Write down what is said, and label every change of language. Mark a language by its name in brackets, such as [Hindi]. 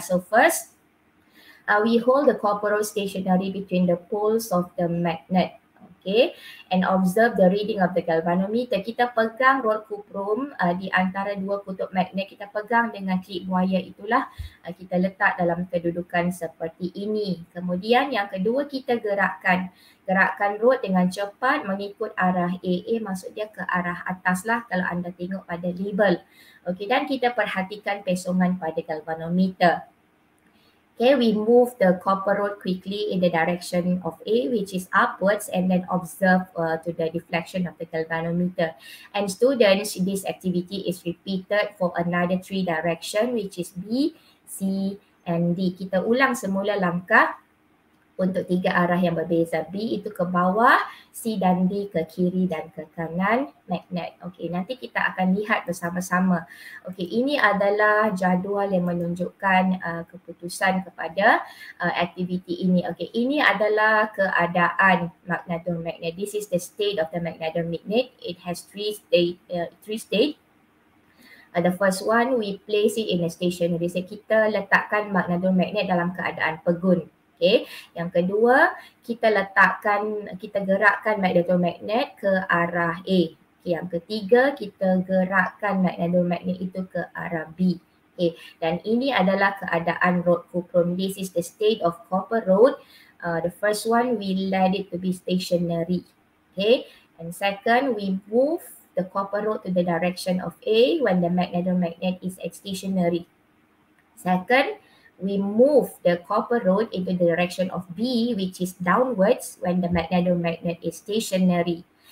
[English] So first, we hold the copper rod stationary between the poles of the magnet. Okay, and observe the reading of the galvanometer. [Malay] Kita pegang rod kuprum di antara dua kutub magnet. Kita pegang dengan clip wire itulah. Kita letak dalam kedudukan seperti ini. Kemudian yang kedua, kita gerakkan. Gerakkan rod dengan cepat mengikut arah AA, maksud dia ke arah atas lah kalau anda tengok pada label. Okay, dan kita perhatikan pesongan pada galvanometer. K [English] Okay, we move the copper rod quickly in the direction of A, which is upwards, and then observe to the deflection of the galvanometer. And students, this activity is repeated for another three direction, which is B, C, and D. [Malay] Kita ulang semula langkah untuk tiga arah yang berbeza. B itu ke bawah, C dan D ke kiri dan ke kanan magnet. Okey, nanti kita akan lihat bersama-sama. Okey, ini adalah jadual yang menunjukkan keputusan kepada aktiviti ini. Okey, ini adalah keadaan magnetomagnet. [English] This is the state of the magnetomagnet. It has three state. The first one, we place it in a stationary state. [Malay] Kita letakkan magnetomagnet dalam keadaan pegun. Okay. Yang kedua, kita gerakkan magnetomagnet ke arah A. Okay. Yang ketiga, kita gerakkan magnetomagnet itu ke arah B. Okay. Dan ini adalah keadaan rod Kuprum. [English] This is the state of copper rod. The first one, we let it to be stationary. Okay. And second, we move the copper rod to the direction of A when the magnetomagnet is stationary. Second, we move the copper rod into the direction of B, which is downwards when the magnetomagnet is stationary.